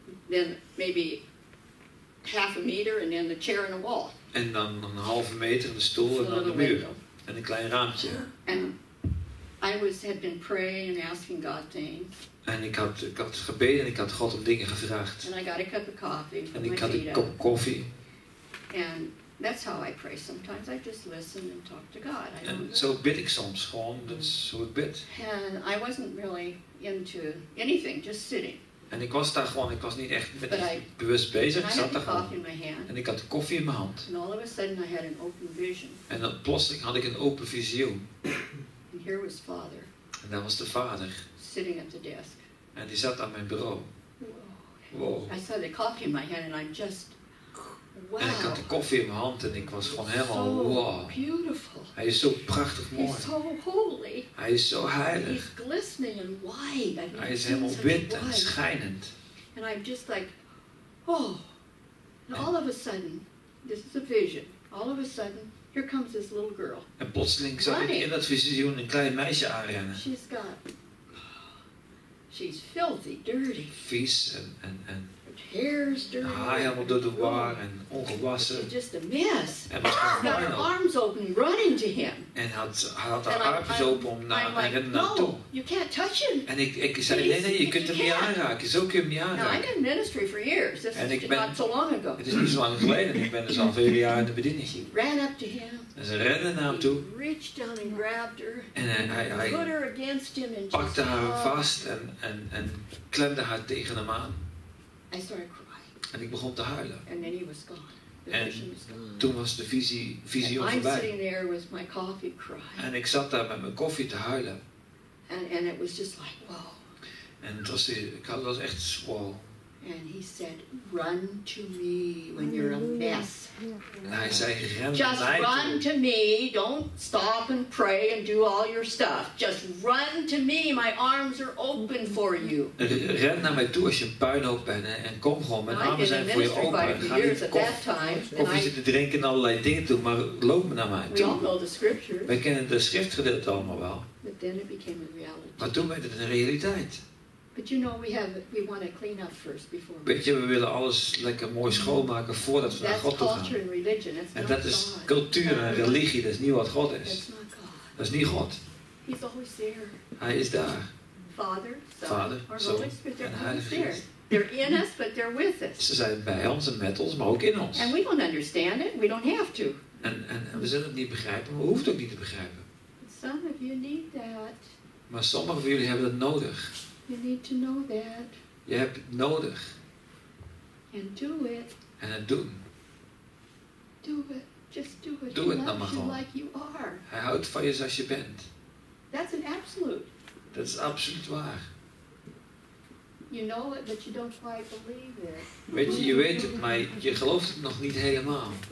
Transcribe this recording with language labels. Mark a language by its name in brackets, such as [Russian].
[English] Then maybe half a meter and then the chair and a wall. [Dutch] En dan een halve meter een stoel en dan de muur. En een klein raampje. [English] And I had been praying and asking God things. [Dutch] En ik had gebeden en ik had God om dingen gevraagd. [English] And I got a cup of coffee. [Dutch] En ik had een kop koffie. [English] And that's how I pray sometimes. I just listen and talk to God. [Dutch] En zo bid ik soms gewoon. Dat is hoe ik bid. [English] And I wasn't really into anything, just sitting. [Dutch] En ik was daar gewoon, ik was niet echt met bewust bezig, ik zat daar gewoon. En ik had de koffie in mijn hand. [English] And all of a sudden I had an open vision. [Dutch] En dan plotseling had ik een open visioen. [English] And here was Father. [Dutch] En daar was de Vader. [English] Sitting at the desk. [Dutch] En die zat aan mijn bureau. [English] Wow. I saw the coffee in my hand and I just, wow. [Dutch] En ik had de koffie in mijn hand en ik was gewoon helemaal, wow. [English] So beautiful. [Dutch] Hij is zo prachtig mooi. [English] He's so holy. [Dutch] Hij is zo heilig. [English] He's glistening and white. I mean, [Dutch] hij is helemaal wit en schijnend. [English] And I'm just like, oh. And all of a sudden, this is a vision. All of a sudden, here comes this little girl. [Dutch] En plotseling zag ik in dat visioen een klein meisje aanrennen. [English] She's filthy, dirty. [Dutch] Vies en haar helemaal door de war en ongewassen. [English] She's just a mess. [Dutch] En was gewoon [English] got her arms open, running to him. [Dutch] En had haar armen open om naartoe. [English] No, you can't touch him. [Dutch] En ik zei, please, nee, je kunt hem niet aanraken. Zo kun je hem niet aanraken. [English] Now, I've been in ministry for years. Not so long ago. [Dutch] Het is niet zo lang geleden. Ik ben dus al vele jaren in de bediening. [English] She ran up to him. [Dutch] En ze rende naar hem toe. [English] He reached down and grabbed her. [Dutch] En hij [English] put her against him and [Dutch] pakte haar vast en klemde haar tegen hem aan. [English] I started crying. [Dutch] En ik begon te huilen. [English] And then he was gone. [Dutch] En toen was de visie al voorbij. [English] I'm sitting there with my coffee crying. [Dutch] En ik zat daar met mijn koffie te huilen. [English] And it was just like, whoa. [Dutch] En het was echt wow. [English] And he said, run to me when you're a mess. [Dutch] En hij zei, ren [English] just [Dutch] naar mij [English] run [Dutch] toe. [English] To me. Don't stop and pray and do all your stuff. Just run to me. My arms are open for you. [Dutch] Ren naar mij toe als je een puinhoop bent en kom gewoon. Mijn armen zijn voor je open. Ga niet koffie zitten drinken en allerlei dingen toe, maar loop naar mij toe. [English] We all know the scriptures. [Dutch] Wij kennen de schriftgedeelte allemaal wel. [English] But then it became a reality. [Dutch] Maar toen werd het een realiteit. [English] But you know we want to clean up first before. [Dutch] Weet je, we willen alles lekker mooi schoonmaken voordat we naar God toe gaan. [English] That's culture and religion. That's not God. [Dutch] En dat is cultuur en religie. Dat is niet wat God is. Dat is niet God. [English] He's always there. [Dutch] Hij is daar. [English] Father, Son, Holy Spirit. They're always there. They're in us, but they're with us. [Dutch] Ze zijn bij ons en met ons, maar ook in ons. [English] And we don't understand it. We don't have to. [Dutch] En we zullen het niet begrijpen, maar we hoeven het ook niet te begrijpen. [English] Some of you need that. [Dutch] Maar sommigen van jullie hebben dat nodig. [English] You need to know that. [Dutch] Je hebt het nodig. [English] And do it. [Dutch] En het doen. [English] Do it. Just do it. [Dutch] Doe het dan maar gewoon. [English] Like you are. [Dutch] Hij houdt van je zoals je bent. [English] That's an absolute. [Dutch] Dat is absoluut waar. [English] You know it, but you don't quite believe it. [Dutch] Weet je weet het, maar je gelooft het nog niet helemaal.